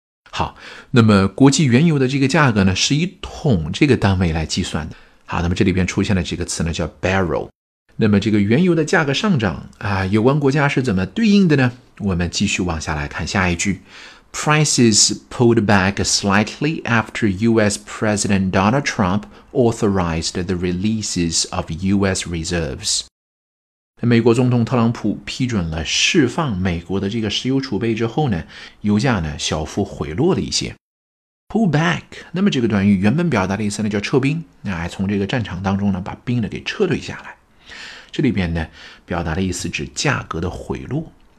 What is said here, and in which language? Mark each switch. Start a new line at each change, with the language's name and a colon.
Chinese: 好，那么国际原油的这个价格呢是以桶这个单位来计算的。好，那么这里边出现了这个词呢叫 barrel。那么这个原油的价格上涨啊，有关国家是怎么对应的呢？我们继续往下来看下一句。
English: Prices pulled back slightly after U.S. President Donald Trump authorized the releases of U.S. reserves.
Chinese: 美国总统特朗普批准了释放美国的这个石油储备之后呢，油价呢小幅回落了一些。 Pull back， 那么这个短语原本表达的意思呢叫撤兵，从这个战场当中呢把兵呢给撤退下来。这里边呢表达的意思指价格的回落。